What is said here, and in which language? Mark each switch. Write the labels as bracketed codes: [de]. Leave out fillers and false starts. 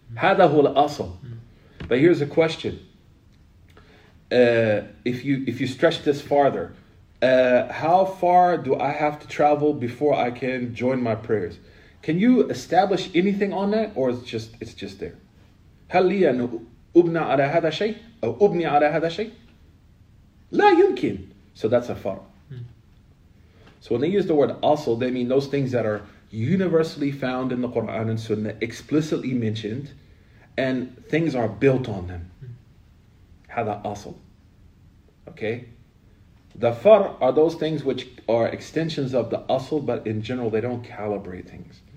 [en] Hada hu al-asal. But here's a question. If you stretch this farther, how far do I have to travel before I can join my prayers? Can you establish anything on that, or it's just there? [ar] هل لي أن أبنى على هذا شيء أو أبني على هذا شيء؟ لا يمكن. [en] So that's a far. So when they use the word also, they mean those things that are universally found in the Quran and Sunnah, explicitly mentioned. And things are built on them. Hada asl. Okay? The far are those things which are extensions of the asl, but in general they don't calibrate things.